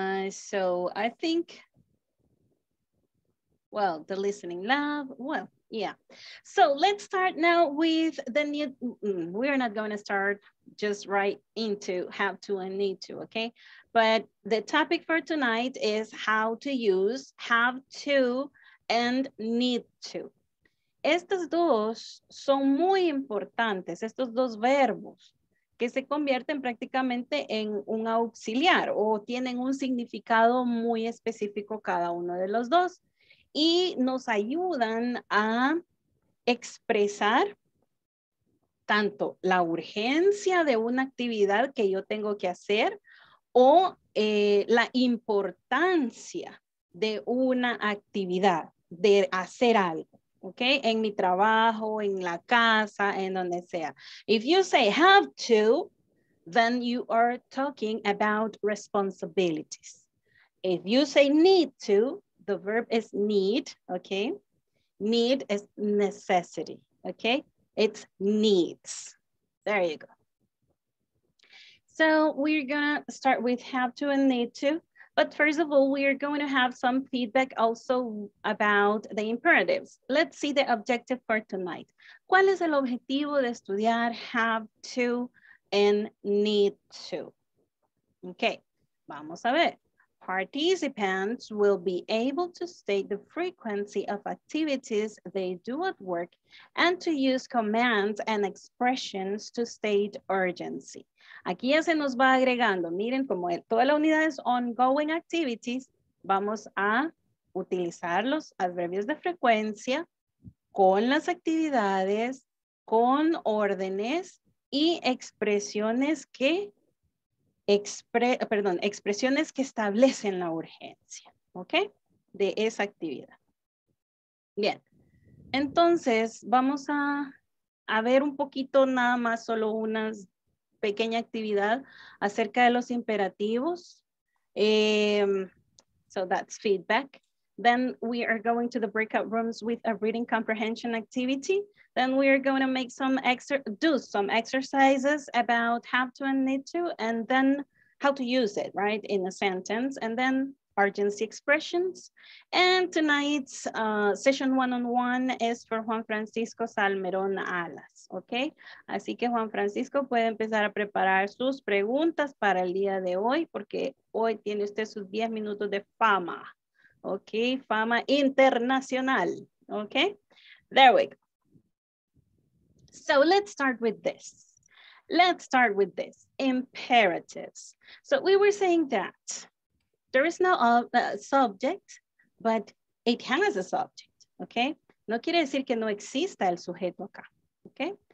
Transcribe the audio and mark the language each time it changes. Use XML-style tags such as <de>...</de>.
<en>So, I think, well, the listening lab, well, yeah. So, let's start now with the new, we're not going to start just right into have to and need to, okay? But the topic for tonight is how to use have to and need to.</en> <es>Estos dos son muy importantes, estos dos verbos que se convierten prácticamente en un auxiliar o tienen un significado muy específico cada uno de los dos y nos ayudan a expresar tanto la urgencia de una actividad que yo tengo que hacer o la importancia de una actividad, de hacer algo, ¿ok? En mi trabajo, en la casa, en donde sea.</es> <en>If you say have to, then you are talking about responsibilities. If you say need to, the verb is need, ¿ok? Need is necessity, ¿ok? It's needs. There you go. So we're gonna start with have to and need to. But first of all, we are going to have some feedback also about the imperatives. Let's see the objective for tonight.</en> <es>¿Cuál es el objetivo de estudiar</es> <en>have to and need to?</en> <es>Okay, vamos a ver.</es> <en>Participants will be able to state the frequency of activities they do at work and to use commands and expressions to state urgency.</en> <es>Aquí ya se nos va agregando, miren como toda la unidad es ongoing activities, vamos a utilizar los adverbios de frecuencia con las actividades, con órdenes y expresiones que expresiones que establecen la urgencia, ¿ok? De esa actividad. Bien, entonces vamos a ver un poquito nada más, solo unas pequeña actividad acerca de los imperativos.</es> <en>So that's feedback. Then we are going to the breakout rooms with a reading comprehension activity. Then we are going to make some exercises about have to and need to, and then how to use it, right, in a sentence, and then urgency expressions. And tonight's session one-on-one is for Juan Francisco Salmerón Alas, okay?</en> <es>Así que Juan Francisco puede empezar a preparar sus preguntas para el día de hoy, porque hoy tiene usted sus 10 minutos de fama, okay? Fama internacional,</es> <en>okay? There we go. So let's start with this. Let's start with this, imperatives. So we were saying that there is no subject, but it has a subject, okay?</en> <es>No quiere decir que no exista el sujeto acá, okay?</es>